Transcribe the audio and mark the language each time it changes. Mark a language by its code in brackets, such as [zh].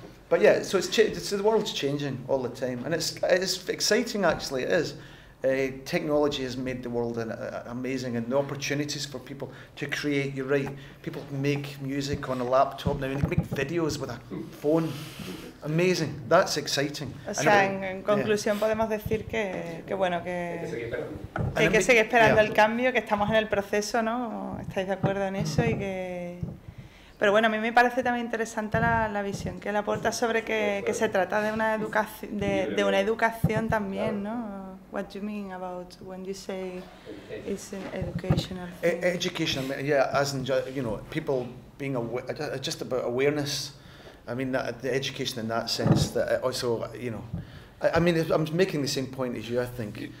[en] But so it's the world's changing all the time, and it's exciting. Actually, it is. Technology has made the world amazing, and the opportunities for people to create, you're right, people make music on a laptop now, and they make videos with a phone. Amazing, that's exciting. [es] O sea, en conclusión podemos decir que bueno, que hay que seguir esperando el cambio, que estamos en el proceso, ¿no? ¿Estáis de acuerdo en eso? Y que... Pero bueno, a mí me parece también interesante la visión que él aporta sobre que se trata de una educación, de una educación también, ¿no? [en] What do you mean about when you say it's an educational thing? Education, I mean, yeah, as in, you know, people being aware, just about awareness. I mean, that, the education in that sense, that also, you know, I mean, I'm making the same point as you, I think.